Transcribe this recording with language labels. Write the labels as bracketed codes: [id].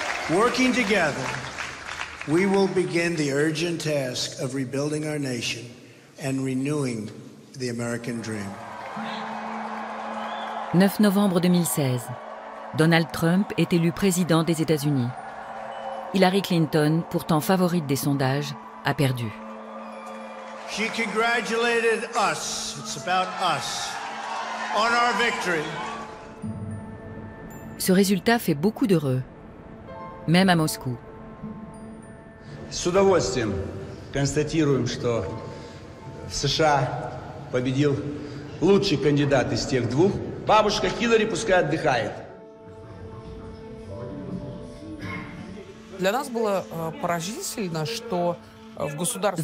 [en] Working together, we will begin the urgent task of rebuilding our nation and renewing the American dream. [fr] 9 novembre 2016, Donald Trump est élu président des États-Unis. Hillary Clinton, pourtant favorite des sondages, a perdu. [en] She congratulated us, it's about us, on our victory. [fr] Ce résultat fait beaucoup d'heureux, même à Moscou. [ru] С удовольствием констатируем, что в США победил лучший кандидат из тех двух. Бабушка Хиллари пускай отдыхает. Для нас было поразительно, что в государстве